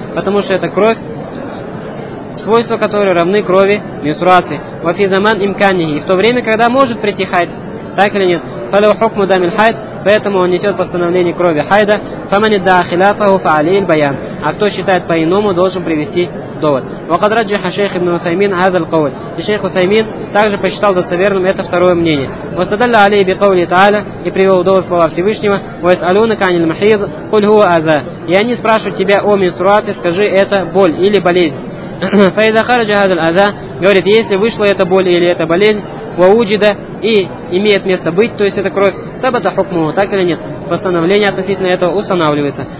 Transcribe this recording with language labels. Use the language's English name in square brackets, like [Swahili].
[Russian] Потому что это кровь, свойства которой равны крови менструации. [Arabic] وَفِي زَمَانٍ إِمْكَانِهِ. [Russian] И в то время, когда может прийти хайд, так или нет, [Arabic] فَلَوْ حُكْمُ دَمِ الْحَيْضِ. [Russian] Поэтому он несет постановление крови хайда. [Arabic] فَمَنِ ادَّعَى خِلَافَهُ فَعَلَيْهِ الْبَيَانُ. [Russian] А кто считает по-иному, должен привести довод. [Arabic] وقد رجح شيخ ابن عثيمين هذا القول. [Russian] И шейх Усаймин также посчитал достоверным это второе мнение. [Arabic] وَسَدَلَّ عَلَيْهِ بِقَوْلِ تَعَالَى. [Russian] И привел довод слова Всевышнего. [Arabic] وَيَسْأَلُونَكَ عَنِ الْمَحِيضِ قُلْ هُوَ أَذًى. [Russian] И они спрашивают тебя о менструации, скажи, это боль или болезнь. [Arabic] فَإِذَا خَرَجَ هَذَا الْأَذًى. [Russian] Говорит, если вышла эта боль или эта болезнь, وَوُجِدَ, и имеет место быть, то есть это кровь, [Arabic] сабата хукмуху, [Russian] так или нет, постановление относительно этого устанавливается.